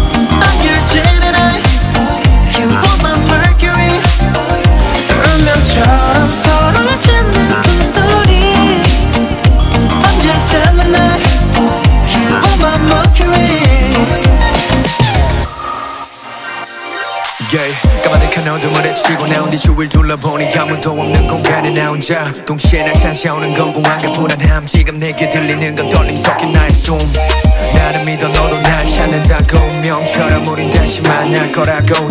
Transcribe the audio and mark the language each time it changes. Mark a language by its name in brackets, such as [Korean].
[English] I'm your Gemini, you hold my Mercury. [Korean] 운명처럼 서로를 찾는 숨소리. [English] I'm your Gemini, you hold my Mercury. Yeah. [Korean] 너도 말해 치고 나온 뒤 주위를 둘러보니 아무도 없는 공간에 나 혼자. 동시에 날 찬시하는 건 공황과 불안함. 지금 내게 들리는 건 떨림 섞인 나의 숨. 나를 믿어 너도 날 찾는다고. 운명처럼 우린 다시 만날 거라고.